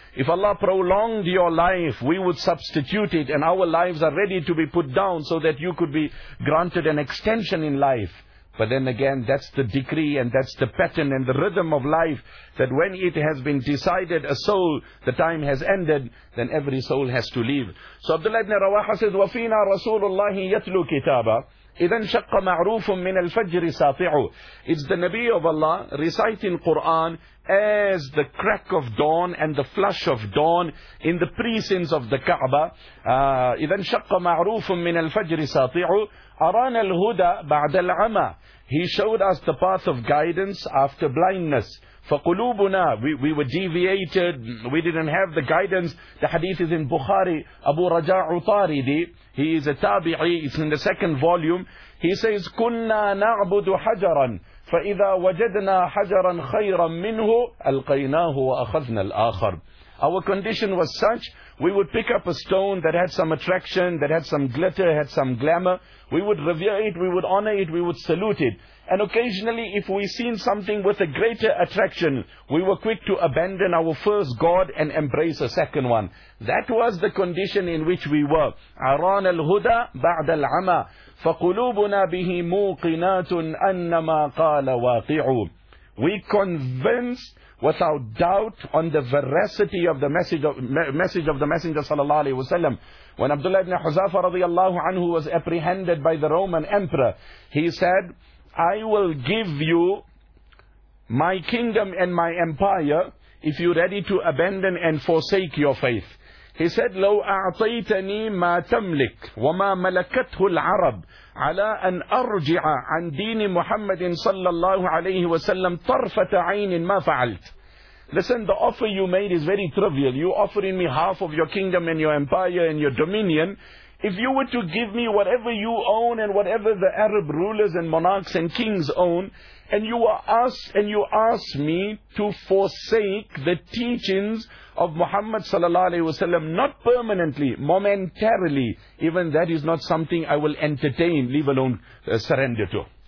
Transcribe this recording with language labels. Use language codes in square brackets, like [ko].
[en] If Allah prolonged your life, we would substitute it, and our lives are ready to be put down so that you could be granted an extension in life. But then again, that's the decree and that's the pattern and the rhythm of life, that when it has been decided a soul, the time has ended, then every soul has to leave. So Abdullah ibn Rawaha says, [ar] وَفِينَا رَسُولُ اللَّهِ يَتْلُو كِتَابًا إِذَا انشَقَّ مَعْرُوفٌ مِّنَ الْفَجْرِ سَاطِعُ. [en] It's the Nabi of Allah reciting Quran as the crack of dawn and the flush of dawn in the precincts of the Kaaba. [ar] إِذَا انشَقَّ مَعْرُوفٌ مِّنَ الْفَجْرِ سَاطِعُ أَرَانَ الْهُدَى بَعْدَ الْعَمَى. [en] He showed us the path of guidance after blindness. [ar] فَقُلُوبُنَا, [en] we were deviated, we didn't have the guidance. The hadith is in Bukhari, Abu Raja Utaridi, he is a tabi'i, it's in the second volume. He says, [ar] كُنَّا نَعْبُدُ حَجَرًا فَإِذَا وَجَدْنَا حَجَرًا خَيْرًا مِّنْهُ أَلْقَيْنَاهُ وَأَخَذْنَا الْآخَرِ. [en] Our condition was such, we would pick up a stone that had some attraction, that had some glitter, had some glamour. We would revere it, we would honor it, we would salute it. And occasionally, if we seen something with a greater attraction, we were quick to abandon our first god and embrace a second one. That was the condition in which we were. [ar] عَرَانَ الْهُدَى بَعْدَ الْعَمَى فَقُلُوبُنَا بِهِ مُوقِنَاتٌ أَنَّمَا قَالَ وَاقِعُ. [en] We convinced without doubt on the veracity of the message of the Messenger sallallahu alaihi wasallam. When Abdullah ibn Huzafa radiallahu anhu was apprehended by the Roman emperor, he said, I will give you my kingdom and my empire if you're ready to abandon and forsake your faith. He said, [ar] لو أعطيتني ما تملك وما ملكته العرب على أن أرجع عن دين محمد صلى الله عليه وسلم طرفة عين ما فعلت. [en] listen, the offer you made is very trivial. You offering me half of your kingdom and your empire and your dominion. If you were to give me whatever you own and whatever the Arab rulers and monarchs and kings own, and you ask me to forsake the teachings of Muhammad sallallahu alaihi wasallam, not permanently, momentarily, even that is not something I will entertain, leave alone surrender to.